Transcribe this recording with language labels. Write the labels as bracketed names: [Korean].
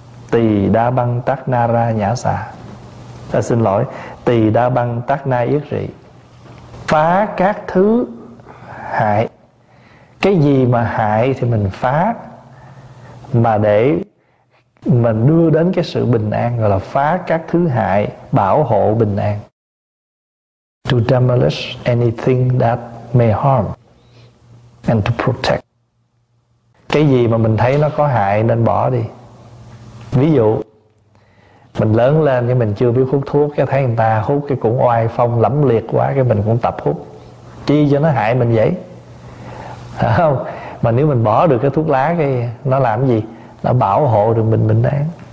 [Vietnamese] Tỳ đa băng tát na ra nhã xà, xin lỗi, tỳ đa băng tát na yết rị, phá các thứ hại. Cái gì mà hại thì mình phá, mà để mình đưa đến cái sự bình an, gọi là phá các thứ hại, bảo hộ bình an. [English] To demolish anything that may harm and to protect. [Vietnamese] Cái gì mà mình thấy nó có hại nên bỏ đi. Ví dụ mình lớn lên nhưng mình chưa biết hút thuốc, cái thấy người ta hút cái cũng oai phong lẫm liệt quá, cái mình cũng tập hút, chi cho nó hại mình vậy, phải không? Mà nếu mình bỏ được cái thuốc lá cái nó làm gì? Nó bảo hộ được mình bình an.